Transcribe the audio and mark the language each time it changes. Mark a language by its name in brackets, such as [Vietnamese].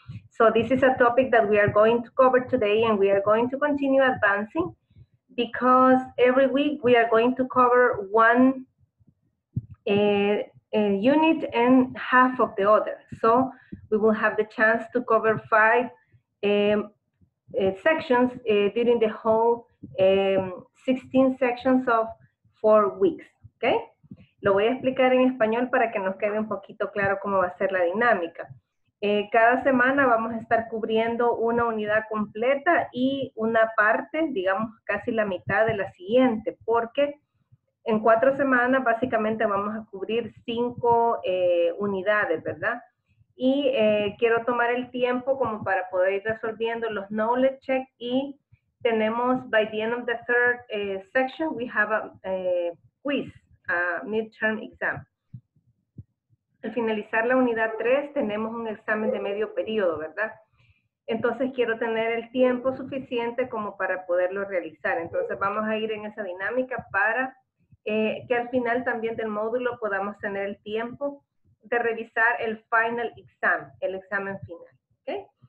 [English] So this is a topic that we are going to cover today, and we are going to continue advancing because every week we are going to cover one unit and half of the other. So we will have the chance to cover five sections during the whole 16 sections of 4 weeks, okay? [Spanish] Lo voy a explicar en español para que nos quede un poquito claro cómo va a ser la dinámica. Cada semana vamos a estar cubriendo una unidad completa y una parte, digamos casi la mitad de la siguiente, porque en 4 semanas básicamente vamos a cubrir 5 unidades, ¿verdad? Y quiero tomar el tiempo como para poder ir resolviendo los knowledge check. Y tenemos, [English] by the end of the third section, we have a quiz, a midterm exam. [Spanish] Al finalizar la unidad 3, tenemos un examen de medio periodo, ¿verdad? Entonces quiero tener el tiempo suficiente como para poderlo realizar. Entonces vamos a ir en esa dinámica para que al final también del módulo podamos tener el tiempo de revisar el final exam, el examen final, okay?